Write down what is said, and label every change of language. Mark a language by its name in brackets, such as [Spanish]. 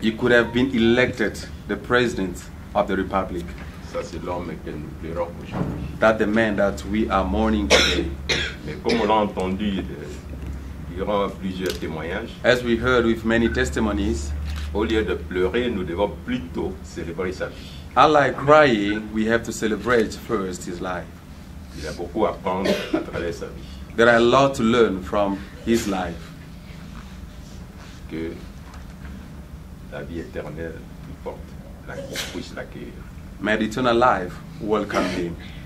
[English] He could have been elected the president of the Republic. [French] Ça c'est l'homme que nous pleurons aujourd'hui. [English] That the man that we are mourning today. [French] Mais comme on l'a entendu, il y aura plusieurs témoignages. [English] As we heard with many testimonies. [French] Au lieu de pleurer, nous devons plutôt célébrer sa vie. [English] Unlike crying, we have to celebrate first his life. [French] Il y a beaucoup à apprendre à travers sa vie. [English] There are a lot to learn from his life. [French] Que la vie éternelle lui porte, la qu'on puisse l'accueillir. [English] May the eternal life welcome him.